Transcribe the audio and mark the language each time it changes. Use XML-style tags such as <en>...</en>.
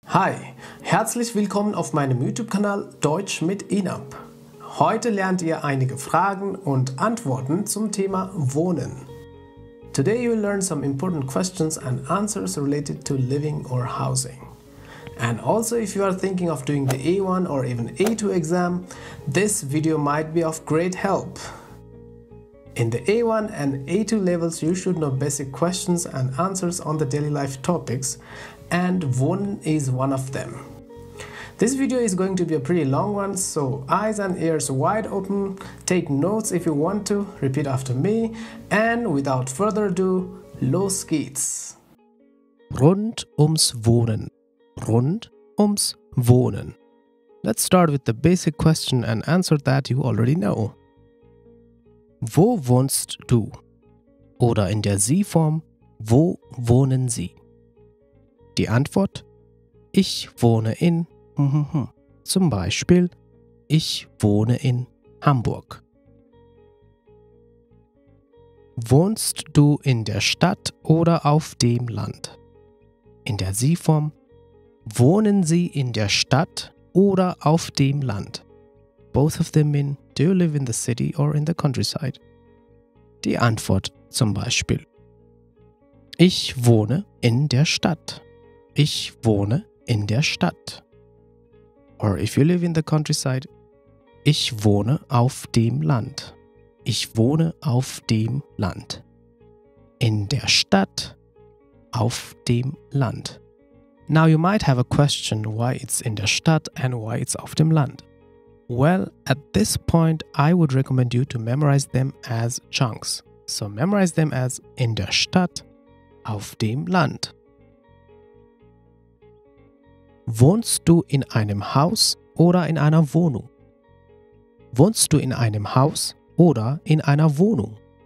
<de>Hi, herzlich willkommen auf meinem YouTube-Kanal Deutsch mit Inab. Heute lernt ihr einige Fragen und Antworten zum Thema Wohnen.</de> <en>Today you will learn some important questions and answers related to living or housing. And also if you are thinking of doing the A1 or even A2 exam, this video might be of great help. In the A1 and A2 levels, you should know basic questions and answers on the daily life topics, and Wohnen is one of them. This video is going to be a pretty long one, so eyes and ears wide open, take notes if you want to, repeat after me, and without further ado,</en> <de>los geht's! Rund ums Wohnen. Rund ums Wohnen.</de> <en>Let's start with the basic question and answer that you already know.</en> <de>Wo wohnst du? Oder in der Sie-Form, wo wohnen Sie? Die Antwort: Ich wohne in zum Beispiel, ich wohne in Hamburg. Wohnst du in der Stadt oder auf dem Land? In der Sie-Form: Wohnen Sie in der Stadt oder auf dem Land?</de> <en>Both of them mean, do you live in the city or in the countryside?</en> <de>Die Antwort zum Beispiel: Ich wohne in der Stadt. Ich wohne in der Stadt.</de> <en>Or if you live in the countryside,</en> <de>ich wohne auf dem Land. Ich wohne auf dem Land. In der Stadt, auf dem Land.</de> <en>Now you might have a question why it's</en> <de>in der Stadt</de> <en>and why it's</en> <de>auf dem Land.</de> <en>Well, at this point, I would recommend you to memorize them as chunks. So memorize them as</en> <de>in der Stadt, auf dem Land. Wohnst du in einem Haus oder in einer Wohnung? Wohnst du in einem Haus oder in einer Wohnung?</de>